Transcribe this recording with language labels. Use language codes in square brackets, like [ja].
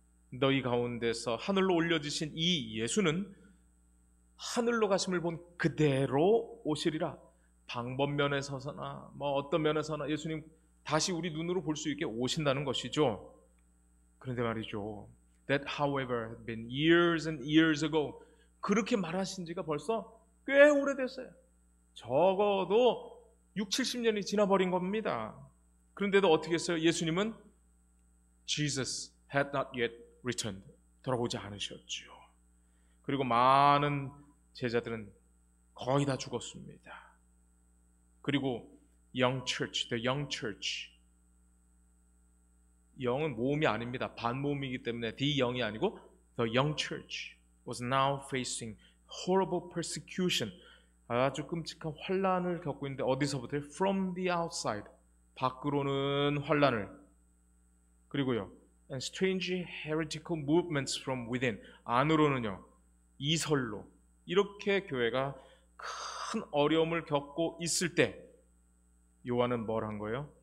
[ko] 너희 가운데서 하늘로 올려지신 이 예수는 하늘로 가심을 본 그대로 오시리라. 방법면에서나 뭐 어떤 면에서나 예수님 다시 우리 눈으로 볼수 있게 오신다는 것이죠. 그런데 말이죠. [en] That, however, had been years and years ago. [ko] 그렇게 말하신 지가 벌써 꽤 오래됐어요. 적어도 60, 70년이 지나버린 겁니다. 그런데도 어떻게 했어요? 예수님은 [en] Jesus had not yet returned. [ko] 돌아오지 않으셨죠. 그리고 많은 제자들은 거의 다 죽었습니다. 그리고 [en] young church, the young church. [ko] 영은 모음이 아닙니다. 반모음이기 때문에 [en] the young이 아니고 the young church was now facing horrible persecution. [ko] 아주 끔찍한 환란을 겪고 있는데 어디서부터? [en] From the outside. [ko] 밖으로는 환란을. 그리고요. [en] And strange heretical movements from within. [ko] 안으로는요. 이설로. 이렇게 교회가 큰 어려움을 겪고 있을 때 요한은 뭘 한 거예요?